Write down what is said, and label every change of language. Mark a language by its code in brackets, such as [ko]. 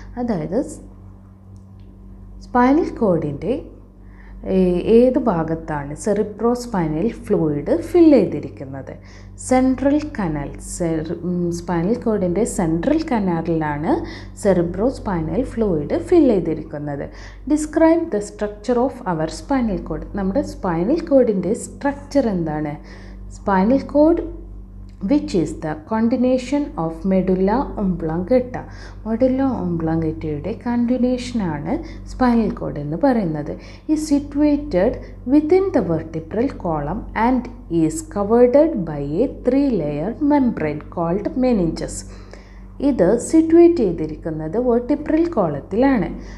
[ml] അതായത് സ്പൈനൽ കോഡിൻ്റെ ഏത് ഭാഗത്താണ് സെറിബ്രോ സ്പൈനൽ ഫ്ലൂയിഡ് ഫിൽ ചെയ്തിരിക്കുന്നത്? സെൻട്രൽ കനൽ, spinal കോഡിൻ്റെ central കനാലിലാണ് cerebro spinal fluid ഫിൽ ചെയ്തിരിക്കുന്നത്. [en] Describe the structure of our spinal cord. [ml] നമ്മുടെ സ്പൈനൽ കോഡിൻ്റെ സ്ട്രക്ചർ എന്താണ്? [en] Spinal cord which is the continuation of medulla oblongata. [ml] Medulla oblongata-യുടെ continuation ആണ് spinal cord എന്ന് പറയുന്നത്. [en] ഈ situated within the vertebral column and is covered by A three layer membrane called meninges. [ml] ഇത് situate ചെയ്തിരിക്കുന്നത് vertebral കോളത്തിലാണ്.